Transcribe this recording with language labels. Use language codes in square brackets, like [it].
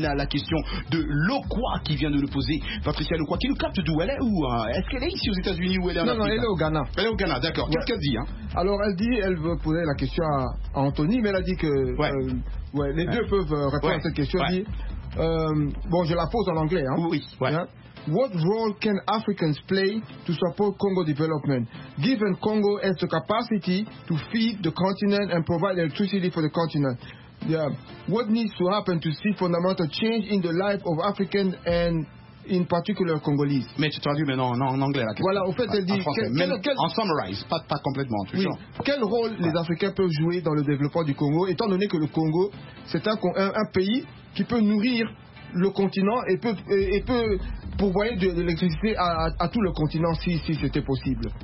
[fr] La question de Loquoi qui vient de nous poser. Patricia Loquoi qui nous capte d'où elle est? Où, hein? Est-ce qu'elle est ici aux États-Unis ou elle est en Afrique? Non, elle est au Ghana. Elle est au Ghana, d'accord. Ouais. Qu'est-ce qu'elle dit, hein? Alors, elle dit, elle veut poser la question à Anthony, mais elle a dit que deux peuvent répondre à cette question. Elle dit, bon, je la pose en anglais. Hein. Oui, ouais. Hein? [en] What role can Africans play to support Congo development, given Congo has the capacity to feed the continent and provide electricity for the continent? Yeah. What needs to happen to see fundamental change in the life of Africans and in particular Congolese? [fr] Mais tu traduis maintenant en anglais. Voilà, en fait, elle dit... En summarize, pas complètement. Oui. Quel rôle les Africains peuvent jouer dans le développement du Congo, étant donné que le Congo, c'est un pays qui peut nourrir le continent et peut pourvoyer de l'électricité à tout le continent si c'était possible.